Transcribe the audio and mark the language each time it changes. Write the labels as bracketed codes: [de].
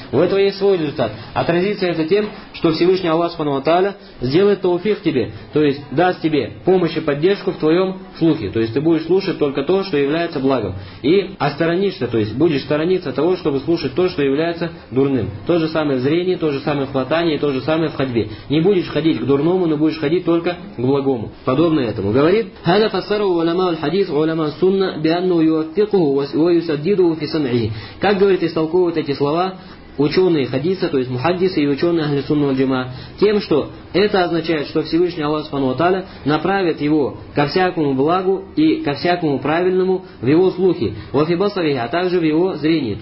[ru] У этого есть свой результат. Отразится это тем, что Всевышний Аллах субхана ва тааля сделает тауфих тебе, то есть даст тебе помощь и поддержку в твоем слухе. То есть ты будешь слушать только то, что является благом. И посторонишься, то есть будешь сторониться того, чтобы слушать то, что является дурным. То же самое в зрении, то же самое в хватании, то же самое в ходьбе. Не будешь ходить к дурному, но будешь ходить только к благому. Подобно этому. [ar] Говорит, هذا فسره علماء الحديث علماء السنة بأنه يوفقه ويسدده في سمعه. [ru] Как говорит, истолковывают эти слова ученые хадиса, то есть мухаддисы и ученые Ахли Сунна валь Джамаа, тем, что это означает, что Всевышний Аллах Субхану ва Тааля направит его ко всякому благу и ко всякому правильному в его слухе, в афибасаре, а также в его зрении.